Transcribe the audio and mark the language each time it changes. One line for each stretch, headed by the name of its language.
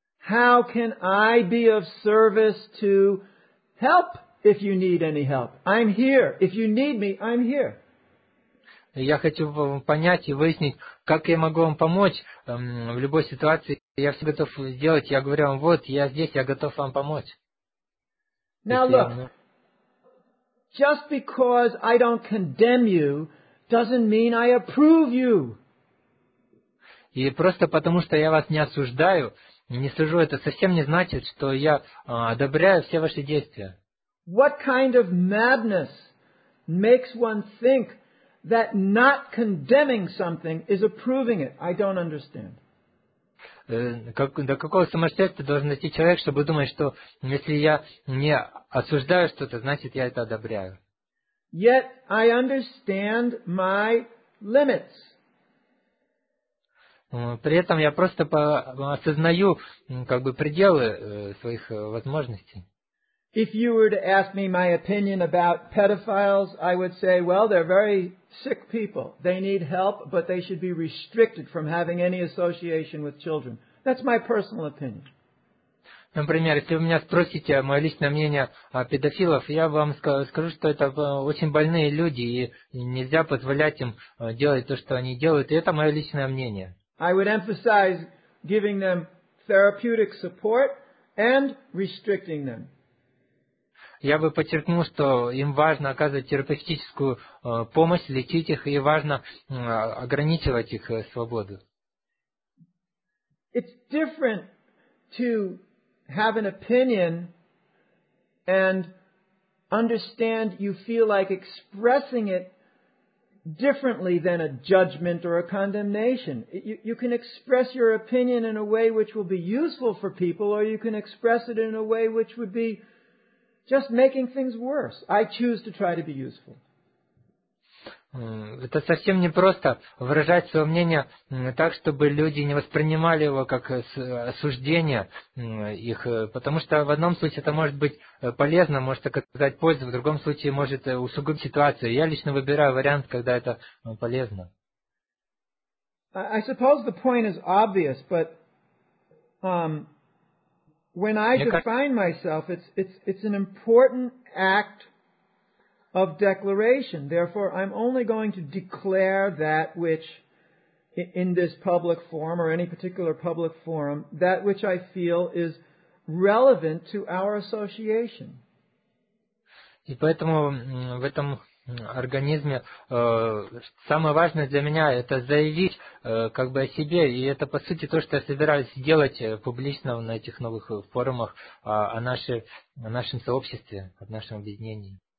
English: How can I be of service to help if you need any help? I'm here. If you need me, I'm here.
Russian: Я хочу понять и выяснить, как я могу вам помочь в любой ситуации. Я все готов сделать. Я говорю вам, вот, я здесь, я готов вам помочь.
English: Now look, just because I don't condemn you doesn't mean I approve you.
Russian: И просто потому, что я вас не осуждаю, не сужу, это совсем не значит, что я одобряю все ваши действия.
English: What kind of madness makes one think that not condemning something is approving it? I don't understand.
Russian: До какого сумасшествия должен дойти человек, чтобы думать, что если я не осуждаю что-то, значит, я это одобряю?
English: Yet I understand my limits.
Russian: При этом я просто осознаю как бы пределы своих возможностей.
English: If you were to ask me my opinion about pedophiles, I would say, well, they're very sick people. They need help, but they should be restricted from having any association with children. That's my personal opinion.
Russian: Например, если вы меня спросите мое личное мнение о педофилах, я вам скажу, что это очень больные люди, и нельзя позволять им делать то, что они делают. И это мое личное мнение.
English: I would emphasize giving them therapeutic support and restricting them.
Russian: Я бы подчеркнул, что им важно оказывать терапевтическую помощь, лечить их, и важно ограничивать их свободу.
English: It's different to have an opinion and understand you feel like expressing it differently than a judgment or a condemnation. You can express your opinion in a way which will be useful for people, or you can express it in a way which would be just making things worse. I choose to try to be useful.
Russian: Это совсем не просто выражать свое мнение так, чтобы люди не воспринимали его как осуждение их, потому что в одном случае это может быть полезно, может оказать пользу, в другом случае может усугубить ситуацию. Я лично выбираю вариант, когда это полезно.
English: I suppose the point is obvious, but when I define myself, it's an important act of declaration. Therefore, I'm only going to declare that which, in this public forum or any particular public forum, that which I feel is relevant to our association.
Russian: И поэтому в этом организме самое важное для меня это заявить как бы о себе, и это по сути то, что я собираюсь делать публично на этих новых форумах о нашем сообществе, о нашем объединении.